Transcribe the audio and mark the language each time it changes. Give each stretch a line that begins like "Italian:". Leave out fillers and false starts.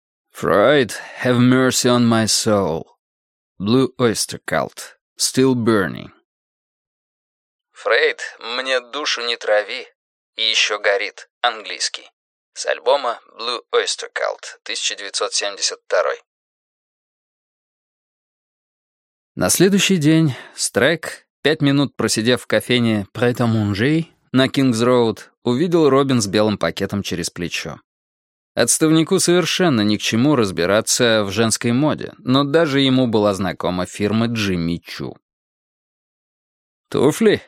English: Freud, have mercy on my soul. Blue Oyster Cult, still burning.
Russian: Фрейд, мне душу не трави, и еще горит, английский. С альбома Blue Oyster Cult, 1972. На следующий день Стрэк, 5 минут просидев в кофейне Прет-а-Манжей на Кингс Роуд, увидел Робин с белым пакетом через плечо. Отставнику совершенно ни к чему разбираться в женской моде, но даже ему была знакома фирма Джимми Чу. «Туфли?»